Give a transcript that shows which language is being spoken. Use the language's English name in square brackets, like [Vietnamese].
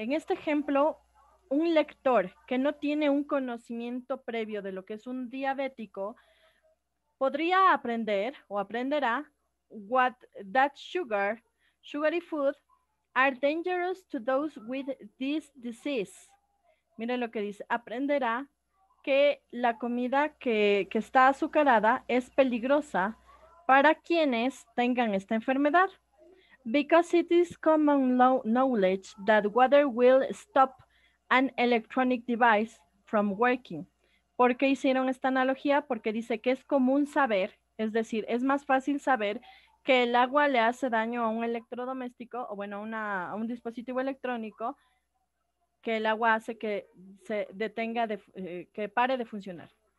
[Spanish] En este ejemplo, un lector que no tiene un conocimiento previo de lo que es un diabético, podría aprender o aprenderá [English] what that sugary food are dangerous to those with this disease. [Spanish] Miren lo que dice, aprenderá que la comida que está azucarada es peligrosa para quienes tengan esta enfermedad. [English] Because it is common knowledge that water will stop an electronic device from working. [Spanish] ¿Por qué hicieron esta analogía? Porque dice que es común saber, es decir, es más fácil saber que el agua le hace daño a un electrodoméstico, o bueno, a un dispositivo electrónico, que el agua hace que se detenga, que pare de funcionar.